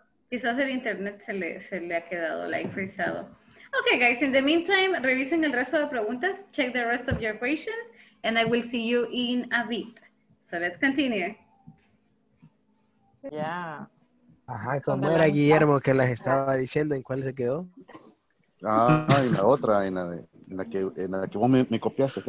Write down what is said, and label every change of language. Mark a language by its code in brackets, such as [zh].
[es] Quizás el internet se le ha quedado like frisado. [en] Okay, guys, in the meantime, revisen el resto de preguntas. Check the rest of your questions. And I will see you in a bit. So let's continue. Yeah. [es] Ajá, ¿cómo era Guillermo que las estaba diciendo? ¿En cuál se quedó? Ah, en la otra, en la que vos me copiaste.